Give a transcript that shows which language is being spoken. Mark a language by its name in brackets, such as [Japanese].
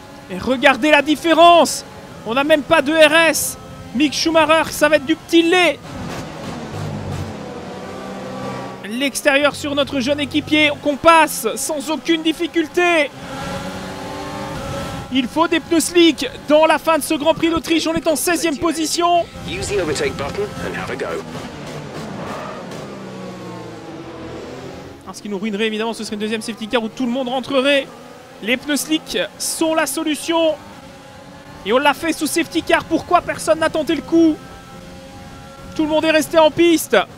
[French] Et regardez la différence. On n'a même pas de RS. Mick Schumacher, ça va être du petit lait. L'extérieur sur notre jeune équipier qu'on passe sans aucune difficulté. Il faut des pneus slick dans la fin de ce Grand Prix d'Autriche. On est en 16e position. [English] Use the overtake button and have a go. [French] Ce qui nous ruinerait évidemment, ce serait une deuxième safety car où tout le monde rentrerait. Les pneus slick sont la solution. Et on l'a fait sous safety car. Pourquoi personne n'a tenté le coup? Tout le monde est resté en piste.